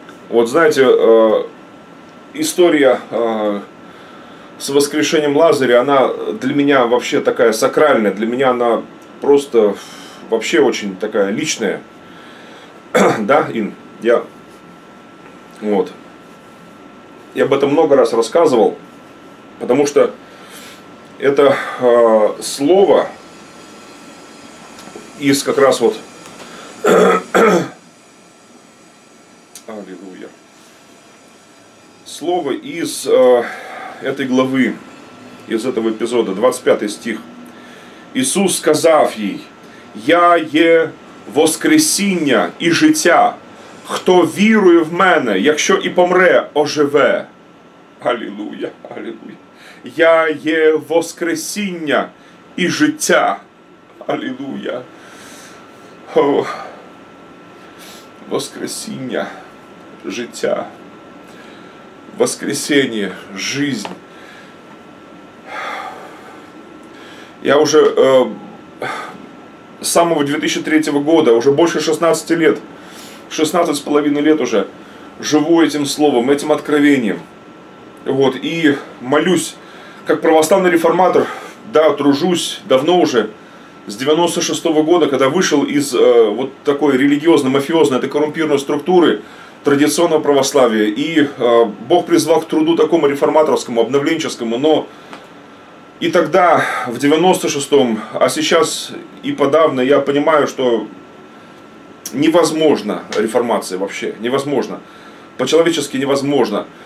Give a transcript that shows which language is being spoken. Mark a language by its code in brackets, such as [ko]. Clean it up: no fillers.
[uk] От знаєте, історія з воскрешенням Лазаря, вона для мене вообще така сакральна, для мене вона просто [ru] вообще очень такая личная. Да, Ин, я, вот, я об этом много раз рассказывал, потому что это слово из как раз вот, аллилуйя, слово из этой главы, из этого эпизода, 25 стих. [uk] Иисус сказав ей: «Я є воскресіння і життя. Хто вірує в мене, якщо і помре, оживе». Алілуя, алілуя. «Я є воскресіння и життя. Аллилуйя. О, воскресіння, життя, [ru] воскресение, жизнь. Я уже с самого 2003 года, уже больше 16 лет, 16 с половиной лет уже живу этим словом, этим откровением. Вот, и молюсь, как православный реформатор, да, тружусь давно уже, с 96 года, когда вышел из вот такой религиозно-мафиозной, этой коррумпированной структуры традиционного православия, и Бог призвал к труду такому реформаторскому, обновленческому, но и тогда, в 96-м, а сейчас и подавно, я понимаю, что невозможно реформация вообще, невозможно, по-человечески невозможно.